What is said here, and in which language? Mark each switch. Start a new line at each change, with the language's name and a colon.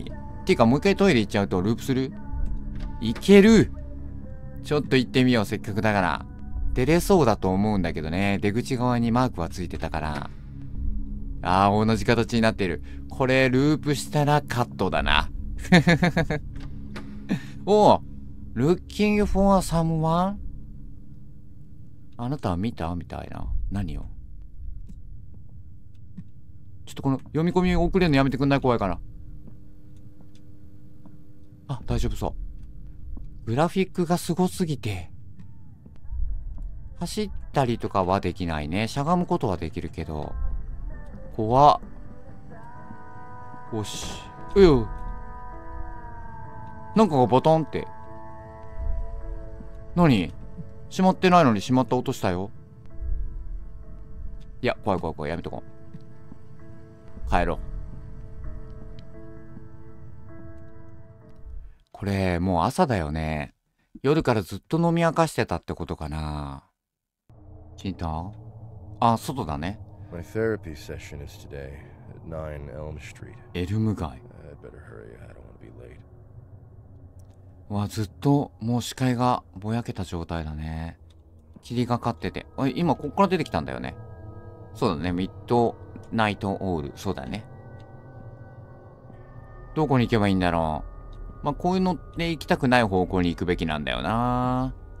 Japanese: っていうか、もう一回トイレ行っちゃうとループする？行ける！ちょっと行ってみよう、せっかくだから。出れそうだと思うんだけどね。出口側にマークはついてたから。あー、同じ形になっている。これ、ループしたらカットだな。
English: おぉ、Looking for someone？
Japanese: あなたは見た？みたいな。何を？ちょっとこの読み込み遅れるのやめてくんない？怖いかな。あ、大丈夫そう。グラフィックがすごすぎて。走ったりとかはできないね。しゃがむことはできるけど。怖っ。よし。うよ。なんかがボタンって。何？閉まってないのに閉まった音したよ。いや、怖い怖い怖い、やめとこう。帰ろう。これ、もう朝だよね。夜からずっと飲み明かしてたってことかな。チンタン？あ、外だね。
English: My therapy session is today at 9 Elm Street.
Japanese: エルム街。
English: I'd better hurry. I don't want to be late.
Japanese: わ、ずっともう視界がぼやけた状態だね。霧がかってて。あ、今こっから出てきたんだよね。そうだね。ミッドナイトオール。そうだね。どこに行けばいいんだろう。まあ、こういうのって行きたくない方向に行くべきなんだよな。